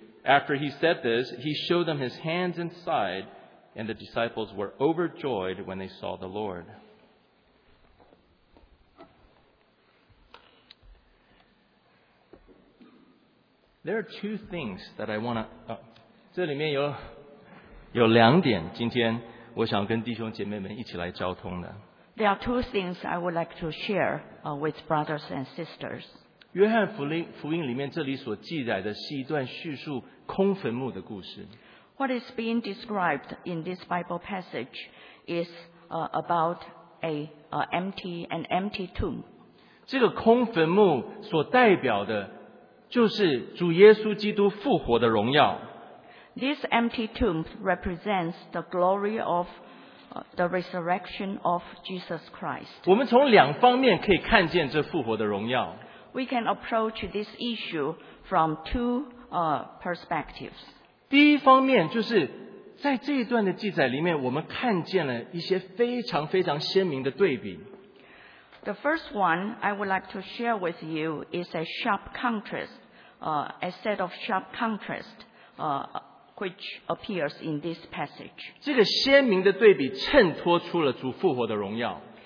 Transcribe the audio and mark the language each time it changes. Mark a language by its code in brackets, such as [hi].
[en] After he said this, he showed them his hands and side, and the disciples were overjoyed when they saw the Lord. There are two things that I want to... [zh] 这里面有两点, 今天我想跟弟兄姐妹们一起来交通的。 [en] There are two things I would like to share with brothers and sisters. [zh] 约翰福音里面这里所记载的是一段叙述空坟墓的故事。 [en] What is being described in this Bible passage is about an empty tomb. [zh] 这个空坟墓所代表的 就是主耶稣基督复活的荣耀。 [en] This empty tomb represents the glory of the resurrection of Jesus Christ. [zh] 我们从两方面可以看见这复活的荣耀。 [en] We can approach this issue from two perspectives. [zh] 第一方面就是在这一段的记载里面, 我们看见了一些非常非常鲜明的对比。 [en] The first one I would like to share with you is a sharp contrast. Which appears in this passage. [zh] 这个鲜明的对比衬托出了主复活的荣耀。